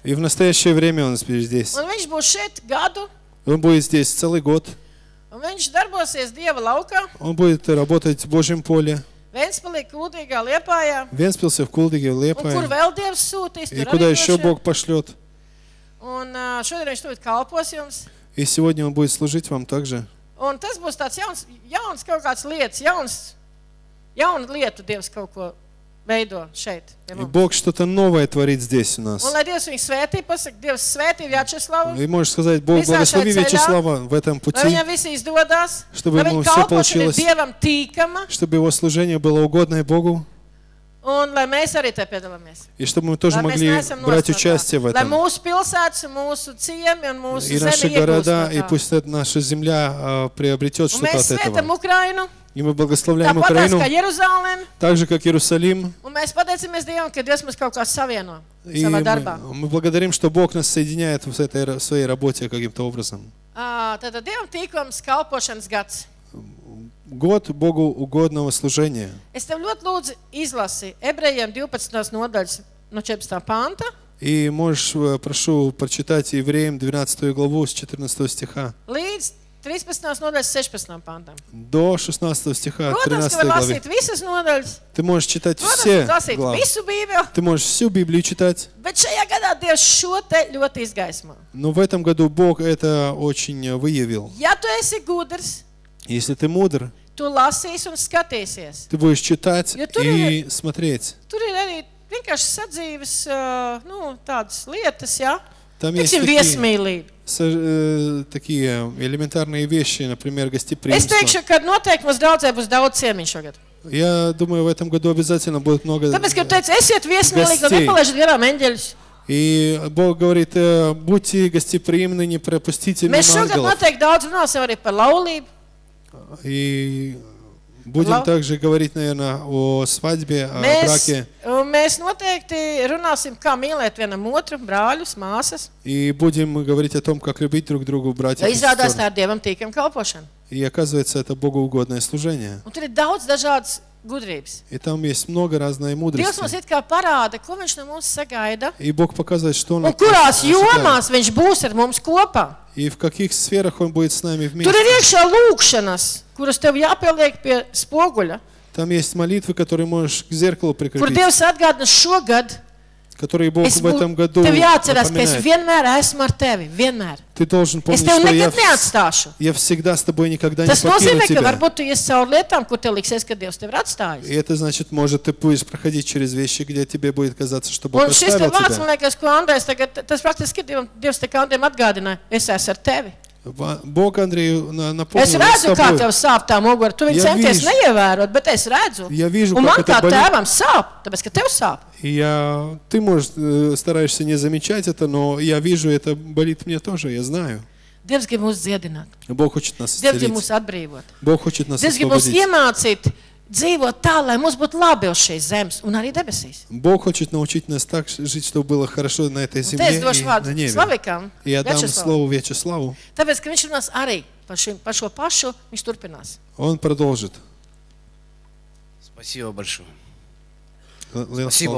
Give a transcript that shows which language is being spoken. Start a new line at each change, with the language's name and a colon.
Russian: И в настоящее время он здесь.
Latvian: Un viņš būs šeit gadu.
Russian: Он будет здесь целый год.
Latvian: Un viņš darbosies Dieva laukā.
Russian: Он будет работать в Божьем поле.
Latvian: Ventspilī, Kuldīgā, Liepājā. Ventspilsē, Kuldīgā, Liepājā. Un kur vēl Dievs sūtīs?
Russian: И куда еще Бог пошлет?
Latvian: Un šodien viņš tūt kalpos jums.
Russian: И сегодня он будет служить вам также.
Latvian: Un tas būs tāds jauns kaut kāds lietas, jauna lietu Dievs kaut ko veido šeit.
Russian: И Бог что-то новое творит здесь у нас.
Latvian: Un lai Dievs viņu svētī, pasaka, Dievs svētī Vjačeslavu.
Russian: Вы можете сказать, Бог благослови Вячеслава в этом пути.
Latvian: Lai viņam visi izdodas.
Russian: Чтобы ему все получилось.
Latvian: Dievam tīkama.
Russian: Чтобы его служение было угодное Богу.
Latvian: Un lai mēs arī te piedalāmies.
Russian: И чтобы мы тоже могли брать участие в этом.
Latvian: Lai mūsu pilsētas, мūsu ciemi un mūsu zemi iegūst.
Russian: И наши города, и пусть наша земля приобретет что-то от этого.
Latvian: Un mēs svētam Ukrainu.
Russian: И мы благословляем Украину.
Latvian: Tāpat kā Jeruzalem.
Russian: Так же, как Иерусалим.
Latvian: Un mēs pateicamies Dievam, ka Dievs mums kaut kā savieno savā darbā.
Russian: Мы благодарим, что Бог нас соединяет в этой своей работе каким-то образом.
Latvian: Tātad Dievam tīkums kalpošanas gads.
Russian: Год Богу угодного служения.
Latvian: Es tev ļoti lūdzu izlasi Ebrejiem 12. Nodaļas no 14. Panta.
Russian: И можешь, прошу, прочитать Евреям 12. Главу с 14. Стиха.
Latvian: Līdz 13. Nodaļas 16. Pantam.
Russian: До 16. Стиха, 13. Главы.
Latvian: Protams, ka var lasīt visas nodaļas.
Russian: Ты можешь читать все главы.
Latvian: Protams, visu Bībeli.
Russian: Ты можешь всю Библию читать.
Latvian: Bet šajā gadā Dievs šo te ļoti izgaismā.
Russian: Но в этом году Бог это очень выявил.
Latvian: Ja tu esi gudrs,
Russian: Если ты мудр,
Latvian: tu lasīsi un skatīsies.
Russian: Ты будешь читать и смотреть.
Latvian: Tur ir arī vienkārši sadzīves, tādas lietas, ja?
Russian: Там есть такие,
Latvian: viesmīlība.
Russian: Такие элементарные вещи, например, гостеприимство.
Latvian: Es teikšu, ka noteikti mums draudzē būs daudz ciemiņu šogad.
Russian: Я думаю, в этом году обязательно будет много гостей.
Latvian: Tāpēc, ka teicu, esiet viesmīlīgi, lai nepalaižat garām eņģeļus.
Russian: И Бог говорит, будьте гостеприимны, не пропустите мимо ангелов.
Latvian: Mēs шогад noteikti даудз runāsim arī par laulību.
Russian: И будем также говорить, наверное, о свадьбе, о браке.
Latvian: Mēs noteikti runāsim, kā mīlēt vienam otru, brāļus, māsas.
Russian: И будем говорить о том, как любить друг друга, братьев.
Latvian: Lai izrādās tā ar Dievam tīkam kalpošanu.
Russian: И оказывается, это Богу угодное служение.
Latvian: Un tur ir daudz dažādas gudrības.
Russian: И там есть много разной мудрости.
Latvian: Dievs mums it kā parāda, ko viņš no mums sagaida.
Russian: И Бог показывает, что он...
Latvian: Un kurās jomās viņš būs ar mums kopā.
Russian: И в каких сферах он будет с нами вместе.
Latvian: Tur ir iekšā lūkšanas, kuras tev jāpieliek pie spoguļa.
Russian: Там есть молитвы, которые можешь к зеркалу прикрепить.
Latvian: Kur Dievs atgādina šogad.
Russian: Которые Бог в этом году напоминает.
Latvian: Tev jāatceras, ka es vienmēr esmu ar tevi, vienmēr.
Russian: Ты должен помнить,
Latvian: es tev nekad neatstāšu.
Russian: Я всегда с тобой, никогда не покину тебя.
Latvian: Tas nozīmē, ka varbūt tu iesi cauri lietām, kur tev liksies, ka Dievs tev ir atstājis.
Russian: И это значит, может, ты будешь проходить через вещи, где тебе будет казаться, что Бог оставил тебя.
Latvian: Un šis vārds, man liekas, ko Andrejs tagad, tas praktiski Dievs tā kā Andrejam atgādināja, es esmu ar tevi.
Russian: Бог Андрею напомнил.
Latvian: Es redzu, kā tev sāp tā mugura. Tu viņu centies neievērot, bet es redzu.
Russian: Я вижу,
Latvian: un man kā tēvam sāp, tāpēc, ka tev sāp.
Russian: Я, ты, может, стараешься не замечать это, но я вижу, это болит мне тоже, я знаю.
Latvian: Dievs grib mūs dziedināt.
Russian: Бог хочет нас исцелить.
Latvian: Dievs grib mūs atbrīvot.
Russian: Бог хочет нас освободить.
Latvian: Dievs grib mūs iemācīt dzīvot tā, lai mums būtu labi uz šīs zemes un arī debesīs.
Russian: Бог хочет научить нас так жить, чтобы было хорошо на этой земле и на небе.
Latvian: Tāpēc, ka viņš runās arī par šo pašu, viņš turpinās. Вячеславу.
Russian: Он продолжит. Спасибо большое.
Latvian: Lielas
Russian: Спасибо,